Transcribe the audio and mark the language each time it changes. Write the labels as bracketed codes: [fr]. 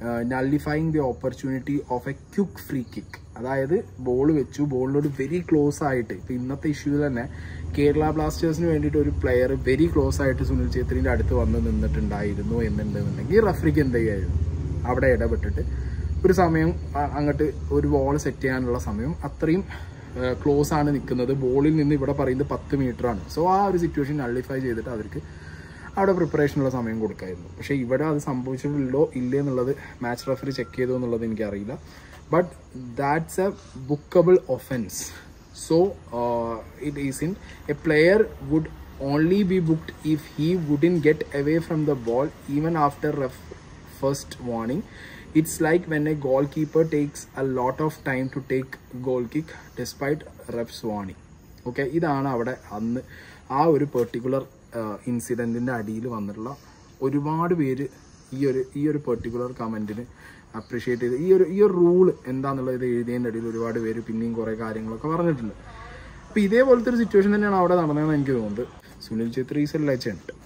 [en] Nullifying the opportunity of a quick free kick. [ml] അതായത് ball വെച്ചു, ബോളിനോട് very close ആയിട്ട്, ഇപ്പം ഇന്നത്തെ ഇഷ്യൂ തന്നെ കേരള ബ്ലാസ്റ്റേഴ്സിന് വേണ്ടിയിട്ട് ഒരു പ്ലെയർ വെരി ക്ലോസ് ആയിട്ട് സുനിൽ ചേത്രീൻ്റെ അടുത്ത് വന്ന് നിന്നിട്ടുണ്ടായിരുന്നു എന്നുണ്ടെന്നുണ്ടെങ്കിൽ റഫറിക്ക് എന്ത് ചെയ്യായിരുന്നു, അവിടെ ഇടപെട്ടിട്ട് ഒരു സമയം അങ്ങോട്ട് ഒരു ബോൾ സെറ്റ് ചെയ്യാനുള്ള സമയം, അത്രയും ക്ലോസ് ആണ് നിൽക്കുന്നത് ബോളിൽ നിന്ന് ഇവിടെ പറയുന്നത് 10 meters. സോ ആ ഒരു സിറ്റുവേഷൻ നള്ളിഫൈ ചെയ്തിട്ട് അവർക്ക് അവിടെ പ്രിപ്പറേഷനുള്ള സമയം കൊടുക്കായിരുന്നു. പക്ഷേ ഇവിടെ അത് സംഭവിച്ചിട്ടുണ്ടോ ഇല്ലേ എന്നുള്ളത് മാച്ച് റഫറി ചെക്ക് ചെയ്തു എന്നുള്ളത് എനിക്കറിയില്ല. [en] But that's a bookable offense. So it isn't. A player would only be booked if he wouldn't get away from the ball even after first warning. It's like when a goalkeeper takes a lot of time to take goal kick despite ref's warning. [ml] Okay ഇതാണ് അവിടെ അന്ന് ആ ഒരു particular ഇൻസിഡൻറ്റിൻ്റെ അടിയിൽ വന്നിട്ടുള്ള ഒരുപാട് പേര് ഈ ഒരു പെർട്ടിക്കുലർ കമൻറ്റിന് അപ്രീഷിയേറ്റ് ചെയ്ത് ഈ ഒരു റൂള് എന്താണെന്നുള്ളത് ഇത് എഴുതിയതിൻ്റെ അടിയിൽ ഒരുപാട് പേര് പിന്നെയും കുറേ കാര്യങ്ങളൊക്കെ പറഞ്ഞിട്ടുണ്ട്. അപ്പോൾ ഇതേപോലത്തെ ഒരു സിറ്റുവേഷൻ തന്നെയാണ് അവിടെ നടന്നതെന്ന് എനിക്ക് തോന്നുന്നത്. [en] Sunil Chhetri is a legend.